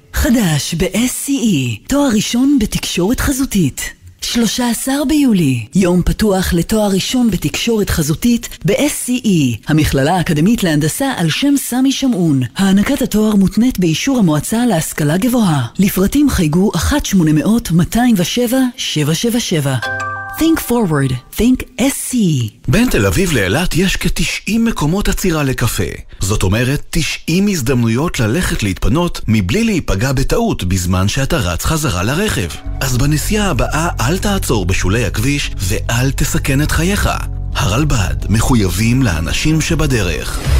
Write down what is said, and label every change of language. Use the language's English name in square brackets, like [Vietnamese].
[Hebrew] חדש ב-SCE, תואר ראשון בתקשורת חזותית. 13 ביולי, יום פתוח לתואר ראשון בתקשורת חזותית ב-SCE, המכללה האקדמית להנדסה על שם סמי שמעון. הענקת התואר מותנית באישור המועצה להשכלה גבוהה. לפרטים חייגו 1-800-207-777. [English] Think forward, think SCE. [Hebrew] בין תל אביב לאילת יש כ-90 מקומות עצירה לקפה. זאת אומרת, 90 הזדמנויות ללכת להתפנות מבלי להיפגע בטעות בזמן שאתה רץ חזרה לרכב. אז בנסיעה הבאה אל תעצור בשולי הכביש ואל תסכן את חייך. הרלב"ד, מחויבים לאנשים שבדרך.